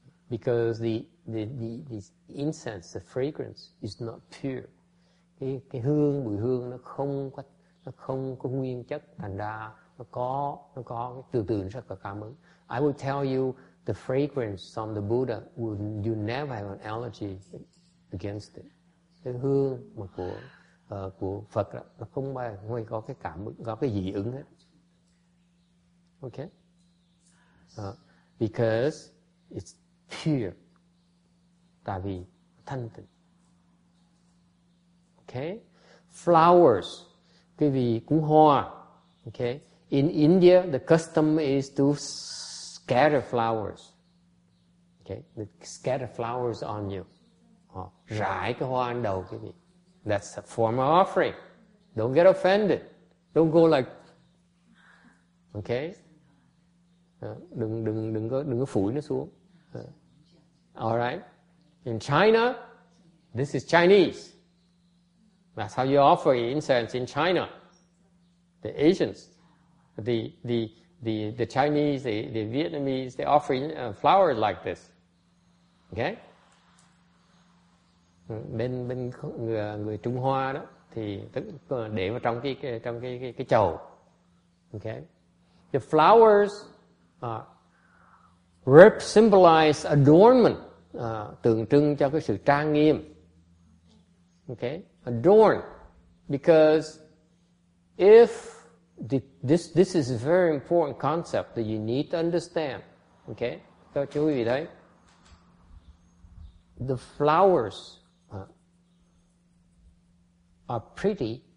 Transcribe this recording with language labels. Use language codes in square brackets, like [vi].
[en] Because the incense, the fragrance is not pure. [vi] Cái hương, mùi hương nó không có nguyên chất, thành ra nó có từ nó sẽ có cảm ứng. [en] I will tell you the fragrance from the Buddha, you never have an allergy against it. [vi] Cái hương mà của Phật đó, nó không bao giờ có cái cảm ứng, có cái dị ứng hết. [en] Okay? Because it's pure. [vi] Tại vì thanh tịnh. [en] Okay? Flowers. [vi] Cái vị cúng hoa. Okay? [en] In India, the custom is to scatter flowers. Okay, they scatter flowers on you. [vi] Rải cái hoa lên đầu cái gì? [en] That's a form of offering. Don't get offended. Don't go like. Okay. [vi] Đừng có phủi nó xuống. [en] All right. In China, this is Chinese. That's how you offer incense in China. The Asians. The Chinese, the Vietnamese, they offer flowers like this, okay? [vi] Bên người Trung Hoa đó thì để vào trong cái chậu, okay? [en] The flowers symbolize adornment, [vi] tượng trưng cho cái sự trang nghiêm, okay? [en] Adorn, because if This is a very important concept that you need to understand. Okay? [vi] Cho quý vị thấy. [en] The flowers are pretty.